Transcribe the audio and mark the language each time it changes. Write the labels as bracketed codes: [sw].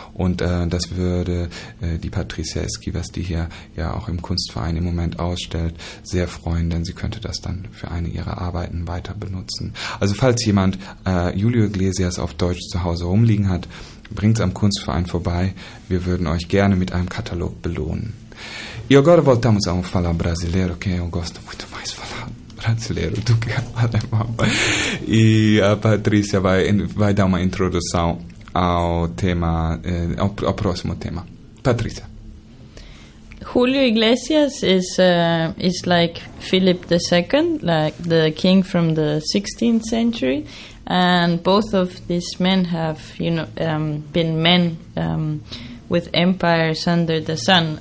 [de] Und das würde die Patricia Esquivas, die hier ja auch im Kunstverein im Moment ausstellt, sehr freuen, denn sie könnte das dann für eine ihrer Arbeiten weiter benutzen. Also falls jemand Julio Iglesias auf Deutsch zu Hause rumliegen hat, bringt's am Kunstverein vorbei. Wir würden euch gerne mit einem Katalog belohnen. [pt] E agora voltamos a falar brasileiro, que eu gosto muito mais falar brasileiro do que alemão. E a Patrícia vai dar uma introdução ao tema, ao próximo tema. Patrícia. [en] Julio Iglesias is like Philip II, like the king from the 16th century. And both of these men have, you know, been men with empires under the sun.